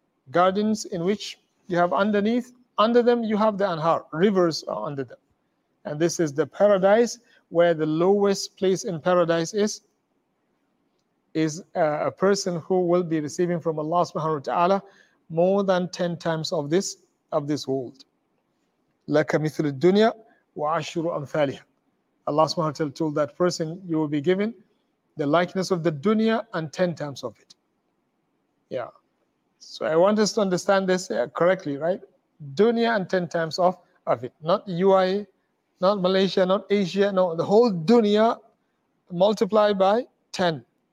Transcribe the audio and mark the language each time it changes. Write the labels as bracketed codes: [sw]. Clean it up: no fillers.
[en] Gardens in which you have underneath, under them you have the anhar, rivers are under them. And this is the paradise, where the lowest place in paradise is is a person who will be receiving from Allah subhanahu wa ta'ala more than 10 times of this world. [ar] لَكَ مِثْلُ الدُّنْيَا وَعَشْرُ أَمْثَالِهَا. [en] Allah subhanahu wa ta'ala told that person, you will be given the likeness of the dunya and 10 times of it. Yeah. So I want us to understand this correctly, right? Dunya and 10 times of it. Not UAE, not Malaysia, not Asia. No, the whole dunya multiplied by 10.